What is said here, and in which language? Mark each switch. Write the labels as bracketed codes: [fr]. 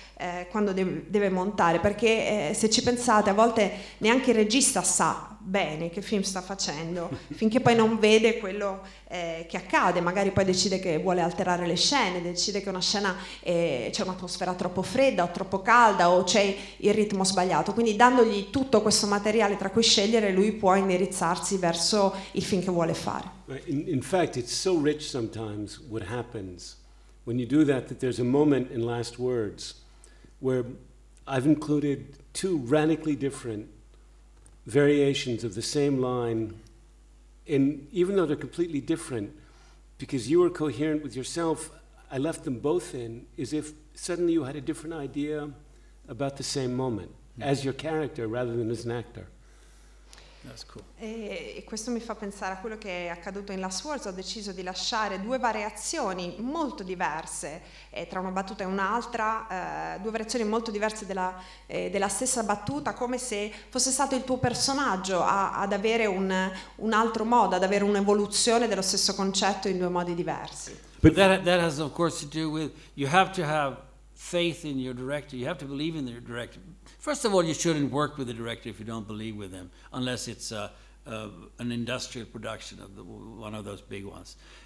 [it] deve montare, perché se ci pensate, a volte neanche il regista sa bene che film sta facendo finché poi non vede quello che accade. Magari poi decide che vuole alterare le scene, decide che una scena c'è un'atmosfera troppo fredda o troppo calda, o c'è il ritmo sbagliato. Quindi dandogli tutto questo materiale tra cui scegliere, lui può indirizzarsi verso il film che vuole fare. [en] In fact, it's so rich sometimes what happens when you do that, that there's a moment in Last Words where I've included two radically different variations of the same line, and even though they're completely different, because you were coherent with yourself, I left them both in, as if suddenly you had a different idea about the same moment, mm-hmm. as your character rather than as an actor. That's cool. [it] E questo mi fa pensare a quello che è accaduto in Last Words. Ho deciso di lasciare due variazioni molto diverse tra una battuta e un'altra, due variazioni molto diverse della stessa battuta, come se fosse stato il tuo personaggio ad avere un altro modo, ad avere un'evoluzione dello stesso concetto in due modi diversi. [en] But that has of course to do with, you have to have faith in your director, you have to believe in your director. First of all, you shouldn't work with the director if you don't believe with him, unless it's an industrial production of one of those big ones.